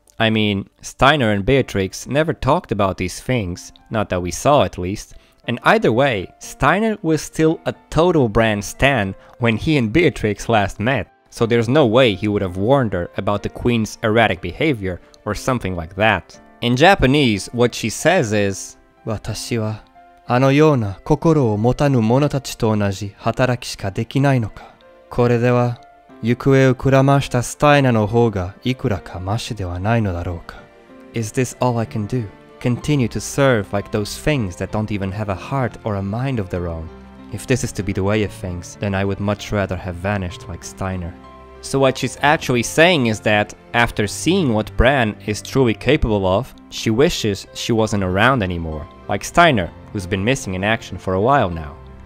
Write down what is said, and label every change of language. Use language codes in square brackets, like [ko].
[en] I mean, Steiner and Beatrix never talked about these things, not that we saw at least, and either way, Steiner was still a total Bran stan when he and Beatrix last met, so there's no way he would have warned her about the queen's erratic behavior or something like that. In Japanese, what she says is, [ja] "私はあのような心を持たぬ者たちと同じ働きしかできないのか? これでは、行方をくらましたスタイナの方がいくらかマシではないのだろうか? [en] Is this all I can do? Continue to serve like those things that don't even have a heart or a mind of their own? If this is to be the way of things, then I would much rather have vanished like Steiner." So what she's actually saying is that, after seeing what Bran is truly capable of, she wishes she wasn't around anymore, like Steiner, who's been missing in action for a while now.